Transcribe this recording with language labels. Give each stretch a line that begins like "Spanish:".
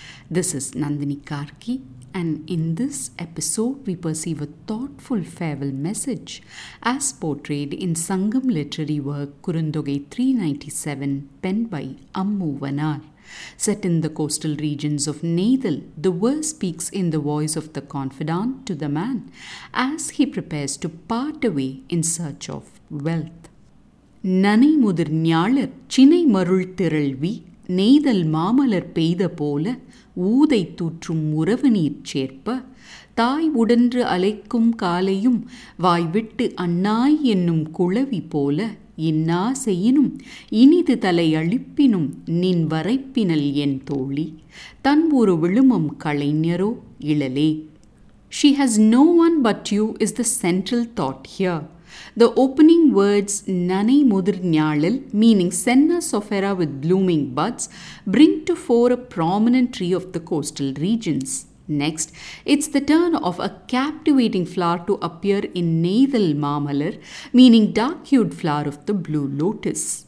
English: This is Nandini Karki, and in this episode we perceive a thoughtful farewell message as portrayed in Sangam literary work Kurundogai 397, penned by Ammu Vanar. Set in the coastal regions of Nadal, the verse speaks in the voice of the confidant to the man as he prepares to part away in search of wealth.
Tamil: நனை முதிர் ஞாளர் சினை மருள் திரள்வி நெய்தல் மாமலர் பெய்த போல ஊதை தூற்றும் உறவு நீர் சேர்ப்ப தாய் உடன்று அலைக்கும் காலையும் வாய்விட்டு அண்ணாய் என்னும் குளவி போல இன்னா செய்யினும் இனிது தலை அழிப்பினும் நின் வரைப்பினல் என் தோழி தன் ஒரு விழுமம் கலைஞரோ இழலே.
English: She has no one but you is the central thought here. The opening words Nanai Mudir Nyalil, meaning Senna Sophera with blooming buds, bring to fore a prominent tree of the coastal regions. Next, it's the turn of a captivating flower to appear in Nadal Mamalar, meaning dark-hued flower of the blue lotus.